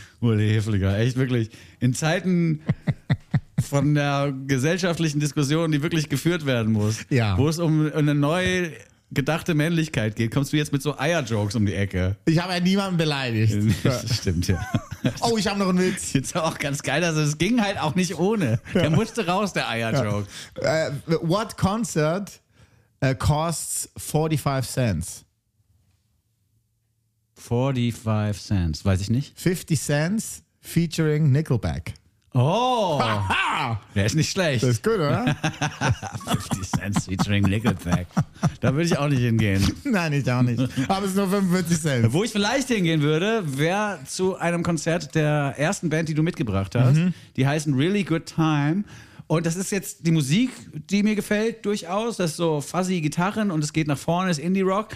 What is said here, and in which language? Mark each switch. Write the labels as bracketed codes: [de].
[de] Uli Hefliger, echt wirklich. In Zeiten von der gesellschaftlichen Diskussion, die wirklich geführt werden muss, ja. Wo es um eine neue... gedachte Männlichkeit geht, kommst du jetzt mit so Eier-Jokes um die Ecke? Ich habe ja niemanden beleidigt. Stimmt, ja. Oh, ich habe noch einen Witz. Jetzt war auch ganz geil, also es ging halt auch nicht ohne. Der musste raus, der Eier-Joke. Ja. [en] What concert costs 45 cents? [de] 45 cents, weiß ich nicht. [en] 50 cents featuring Nickelback. Oh, ha-ha! [de] Der ist nicht schlecht. Das ist gut, oder? 50 Cent featuring Nickelback. Da würde ich auch nicht hingehen. Nein, ich auch nicht. Aber es ist nur 45 Cent. Wo ich vielleicht hingehen würde, wäre zu einem Konzert der ersten Band, die du mitgebracht hast. Mhm. Die heißen Really Good Time. Und das ist jetzt die Musik, die mir gefällt, durchaus. Das ist so fuzzy Gitarren und es geht nach vorne, ist Indie-Rock.